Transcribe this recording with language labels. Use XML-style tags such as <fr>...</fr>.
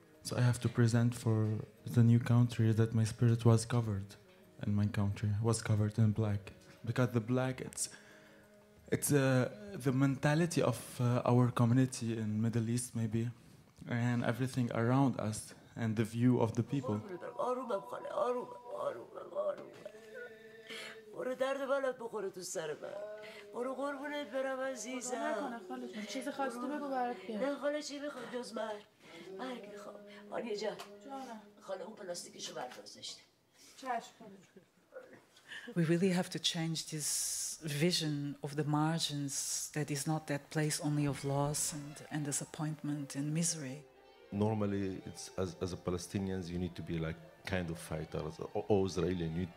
<en>So I have to present for the new country that my spirit was covered, and my country was covered in black. Because the black, it's the mentality of our community in Middle East maybe, and everything around us, and the view of the people.</en> <fa>برو درد بلد بخوره تو سر من برو قربونت برم عزیزم چیزی خواستی تو بگو برات بیارم نه خاله چی بخواد جز مرگ مرگ میخواد آنیه جان خاله اون پلاستیکشو برداشته چشم</fa> <en>We really have to change this vision of the margins that is not that place only of loss and disappointment and misery. Normally, it's as a Palestinians, you need to be like kind of fighters or Israeli.</en>